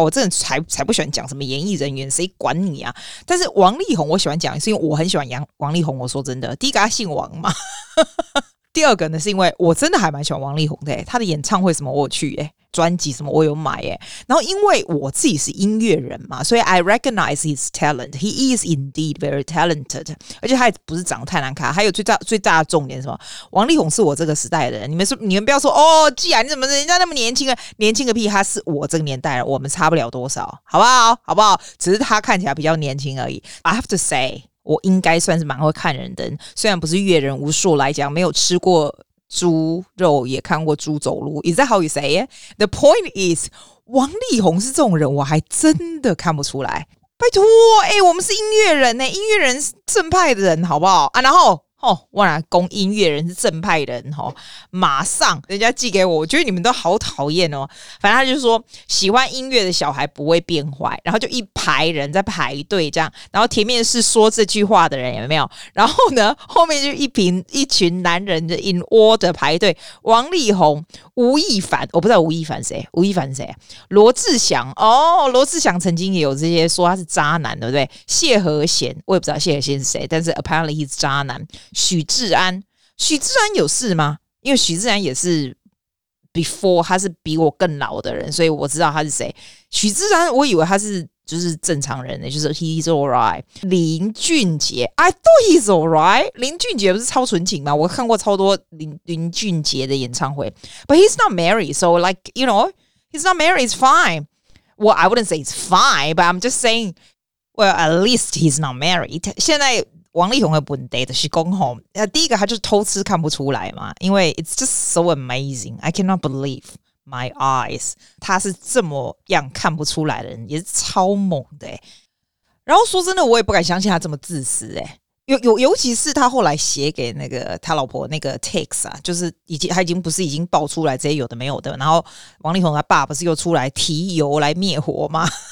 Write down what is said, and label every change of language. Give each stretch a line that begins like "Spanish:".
Chinese: 我真的才不喜欢讲什么演艺人员，谁管你啊？但是王力宏我喜欢讲，是因为我很喜欢王力宏。我说真的，第一个他姓王嘛。第二个呢，是因为我真的还蛮喜欢王力宏的，他的演唱会什么我有去耶。专辑什么我有买耶，然后因为我自己是音乐人嘛，所以
English: I recognize his talent. He is indeed very talented.
Chinese: 而且他也不是长得太难看。还有最大的重点是什么？王力宏是我这个时代的人。你们不要说哦，既然你怎么人家那么年轻啊？年轻个屁！他是我这个年代人，我们差不了多少，好不好？好不好？只是他看起来比较年轻而已。
English: I have to say，
Chinese: 我应该算是蛮会看人的，虽然不是阅人无数来讲，没有吃过。猪肉也看过猪走路
English: Is that how you say it? The point is
Chinese: 王力宏是这种人我还真的看不出来，拜托欸，我们是音乐人欸，音乐人是正派的人好不好啊？然后哦，我来攻音乐人是正派人哦，马上人家寄给我，我觉得你们都好讨厌哦。反正他就说喜欢音乐的小孩不会变坏，然后就一排人在排队这样，然后前面是说这句话的人有没有，然后呢后面就一群男人的
English: in order
Chinese: 排队，王力宏、吴亦凡，我不知道吴亦凡谁，罗志祥，哦罗志祥曾经也有这些说他是渣男对不对，谢和弦我也不知道谢和弦是谁，但是
English: apparently he's
Chinese: 渣男，许志安有事吗？因为许志安也是
English: before
Chinese: 他是比我更老的人，所以我知道他是谁。许志安我以为他是就是正常人，就是
English: he's alright。
Chinese: 林俊杰
English: I thought he's alright，
Chinese: 林俊杰不是超纯情吗？我看过超多 林俊杰的演唱会，
English: but he's not married， so like you know he's not married it's fine， well I wouldn't say it's fine but I'm just saying well at least he's not married。
Chinese: 现在王力宏的问题就是说，第一个他就偷吃看不出来嘛，因为
English: it's just so amazing I cannot believe my eyes，
Chinese: 他是这么样看不出来的人也是超猛的，然后说真的我也不敢相信他这么自私，尤其是他后来写给那个他老婆那个 text 啊，就是他已经不是已经爆出来这些有的没有的，然后王力宏他爸不是又出来提油来灭火吗？